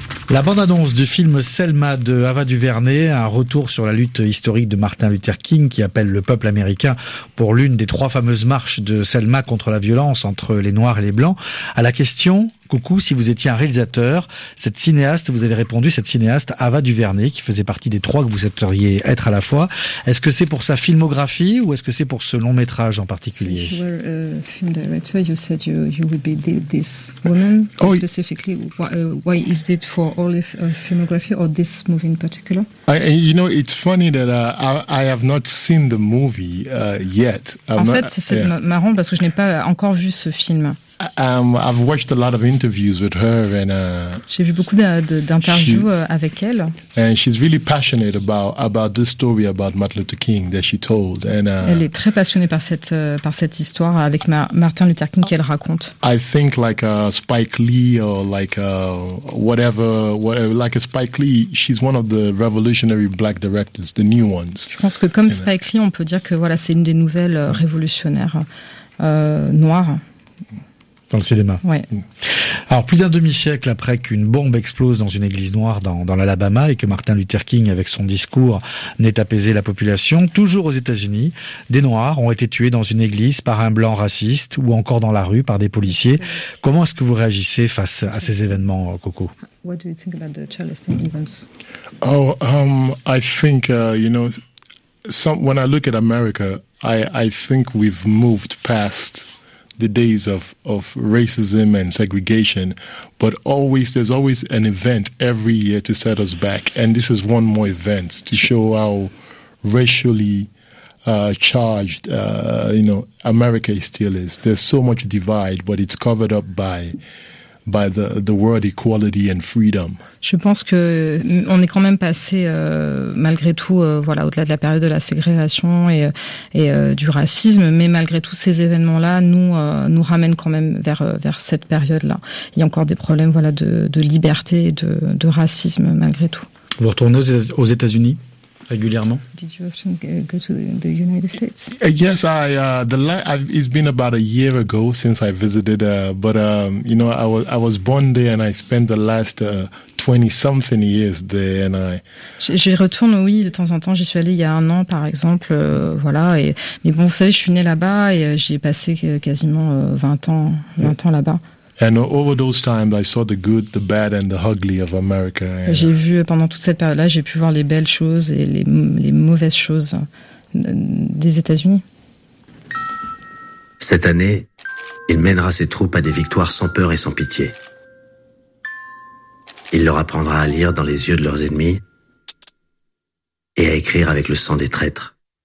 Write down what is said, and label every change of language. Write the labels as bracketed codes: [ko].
[fr] La bande-annonce du film Selma de Ava DuVernay, un retour sur la lutte historique de Martin Luther King qui appelle le peuple américain pour l'une des trois fameuses marches de Selma contre la violence entre les Noirs et les Blancs. À la question, coucou, si vous étiez un réalisateur, cette cinéaste, Ava DuVernay, qui faisait partie des trois que vous souhaiteriez être à la fois, est-ce que c'est pour sa filmographie ou est-ce que c'est pour ce long métrage en particulier? [en] So if you were a film director, you said you would be this woman. Oh, specifically, why is it for all of her filmography or this movie in particular? It's funny that I have not seen the movie yet. [fr] Marrant parce que je n'ai pas encore vu ce film. [en] I've watched a lot of interviews with her and [fr] j'ai vu beaucoup d'interviews avec elle. [en] And she's really passionate about this story about Martin Luther King that she told. And [fr] elle est très passionnée par cette histoire avec Martin Luther King qu'elle raconte. [en] I think like Spike Lee or like Spike Lee, she's one of the revolutionary black directors, the new ones. [fr] Je pense que comme Spike Lee, on peut dire que voilà, c'est une des nouvelles révolutionnaires noires. dans le cinéma. Ouais. Alors, plus d'un demi-siècle après qu'une bombe explose dans une église noire dans l'Alabama et que Martin Luther King, avec son discours, n'ait apaisé la population, toujours aux États-Unis, des Noirs ont été tués dans une église par un blanc raciste ou encore dans la rue par des policiers. Ouais. Comment est-ce que vous réagissez face à ces événements, Coco? [en] What do you think about the Charleston events? When I look at America, I think we've moved past the days of racism and segregation, but always there's always an event every year to set us back, and this is one more event to show how racially charged America still is. There's so much divide, but it's covered up by the word equality and freedom. [fr] Je pense que on est quand même passé malgré tout au-delà de la période de la ségrégation et du racisme, mais malgré tous ces événements là nous ramènent quand même vers cette période là. Il y a encore des problèmes de liberté et de racisme malgré tout. Vous retournez aux États-Unis régulièrement? [en] Did you often go to the United States? Yes, it's been about a year ago since I visited, I was born there and I spent the last 20 something years there and I... [fr] Je retourne, oui, de temps en temps. J'y suis allée il y a un an, par exemple, mais vous savez, je suis née là-bas et j'ai passé quasiment 20 ans là-bas. [en] And over those times, I saw the good, the bad, and the ugly of America. [fr] J'ai vu pendant toute cette période-là, j'ai pu voir les belles choses et les mauvaises choses des États-Unis. Cette année, il mènera ses troupes à des victoires sans peur et sans pitié. Il leur apprendra à lire dans les yeux de leurs ennemis et à écrire avec le sang des traîtres.